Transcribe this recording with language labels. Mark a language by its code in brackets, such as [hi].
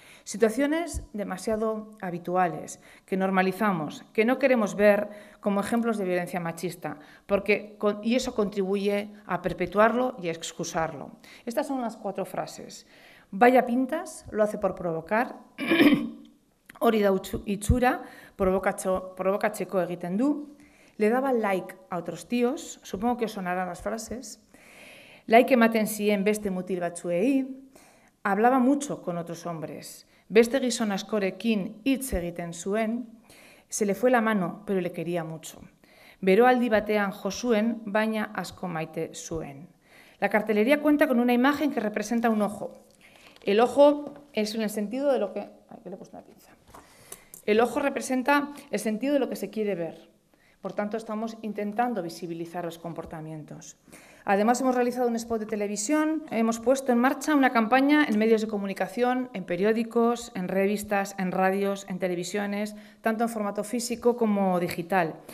[es] Situaciones demasiado habituales, que normalizamos, que no queremos ver como ejemplos de violencia machista, porque, y eso contribuye a perpetuarlo y a excusarlo. Estas son las cuatro frases. Vaya pintas, lo hace por provocar. [eu] Hori da itxura, provokatzeko egiten du. [es] Le daba like a otros tíos, supongo que os sonarán las frases. [eu] Like ematen zien beste mutil batzuei. [es] Hablaba mucho con otros hombres. [eu] Beste gizon askorekin hitz egiten zuen. [es] Se le fue la mano, pero le quería mucho. [eu] Beroaldi batean jo zuen, baina asko maite zuen. [es] La cartelería cuenta con una imagen que representa un ojo. El ojo es en el sentido de lo que... Ay, que le he puesto una pinza. El ojo representa el sentido de lo que se quiere ver. Por tanto, estamos intentando visibilizar los comportamientos. Además, hemos realizado un spot de televisión, hemos puesto en marcha una campaña en medios de comunicación, en periódicos, en revistas, en radios, en televisiones, tanto en formato físico como digital.